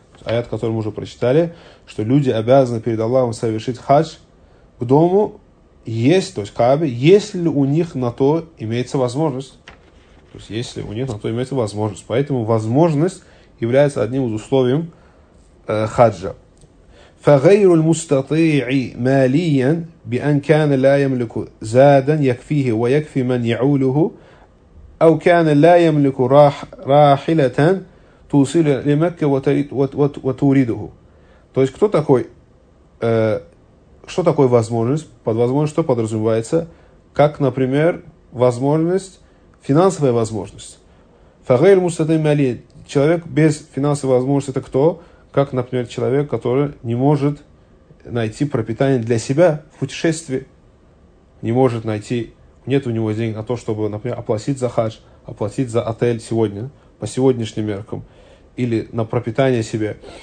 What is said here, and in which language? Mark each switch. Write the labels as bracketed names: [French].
[Russian] Аят, который мы уже прочитали, что люди обязаны перед Аллахом совершить хадж к дому, есть, то есть Каабе, если у них на то имеется возможность. То есть если у них на то имеется возможность. Поэтому возможность является одним из условий хаджа. [Arabic] فغير المستطيع ماليا بأن كان لا يملك زادا يكفيه ويكفي من يعوله أو كان لا يملك راحلة توصل لمكة وتريده. [Russian] То есть кто такой? Что такое возможность? Под возможность что подразумевается? Как, например, возможность, финансовая возможность. [Arabic] فغير المستطيع ماليا. [Russian] Человек без финансовой возможности — это кто? Как, например, человек, который не может найти пропитание для себя в путешествии, не может найти, нет у него денег на то, чтобы, например, оплатить за хадж, оплатить за отель сегодня, по сегодняшним меркам, или на пропитание себе.